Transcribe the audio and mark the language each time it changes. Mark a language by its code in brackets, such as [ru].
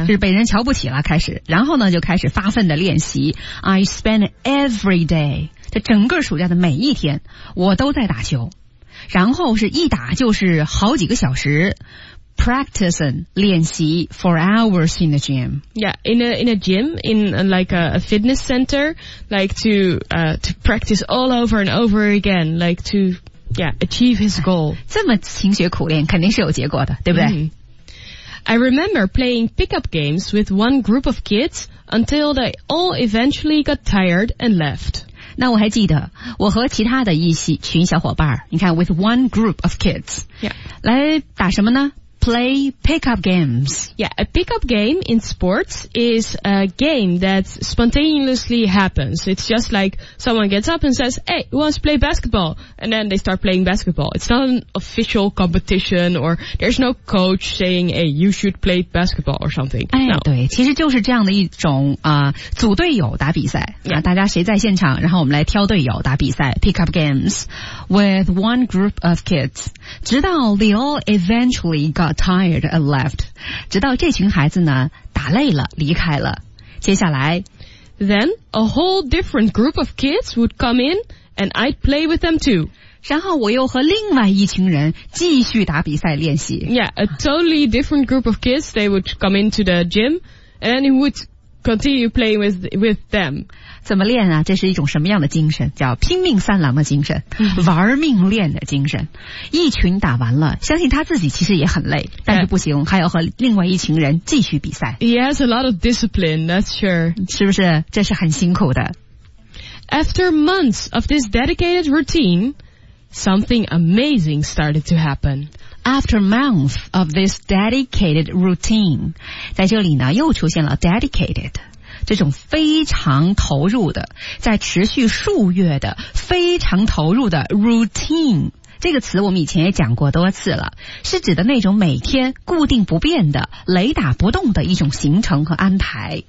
[zh] 就是被人瞧不起了开始然后呢就开始发奋的练习 [en] I spent every day [zh] 这整个暑假的每一天我都在打球然后是一打就是好几个小时 [en] practicing [zh] 练习 [en] for hours in the gym yeah in a gym in like a fitness center like to practice all over and over again like to yeah achieve his goal [zh] 这么勤学苦练肯定是有结果的对不对、 [en] I remember playing pickup games with one group of kids until they all eventually got tired and left [zh] 那我还记得我和其他的一群小伙伴你看 [en] with one group of kids、 yeah. [zh] 来打什么呢 [en] play pickup games yeah a pickup game in sports is a game that spontaneously happens it's just like someone gets up and says hey who wants to play basketball and then they start playing basketball it's not an official competition or there's no coach saying hey you should play basketball or something、哎 no. [zh] 对其实就是这样的一种、组队友打比赛、 [en] yeah. [zh] 大家谁在现场然后我们来挑队友打比赛 [en] pickup games with one group of kids [zh] 直到 [en] they all eventually got tired and left [zh] 直到这群孩子呢打累了离开了接下来 [en] then a whole different group of kids would come in and I'd play with them too [zh] 然后我又和另外一群人继续打比赛练习 [en] yeah a totally different group of kids they would come into the gym and would continue playing with them [zh] 怎么练啊这是一种什么样的精神叫拼命三郎的精神、玩命练的精神一群打完了相信他自己其实也很累但是不行、还要和另外一群人继续比赛 [en] He has a lot of discipline that's sure [zh] 是不是这是很辛苦的 [en] After months of this dedicated routine something amazing started to happen After months of this dedicated routine [zh] 在这里呢又出现了 dedicated 这种非常投入的在持续数月的非常投入的 routine 这个词我们以前也讲过多次了是指的那种每天固定不变的雷打不动的一种行程和安排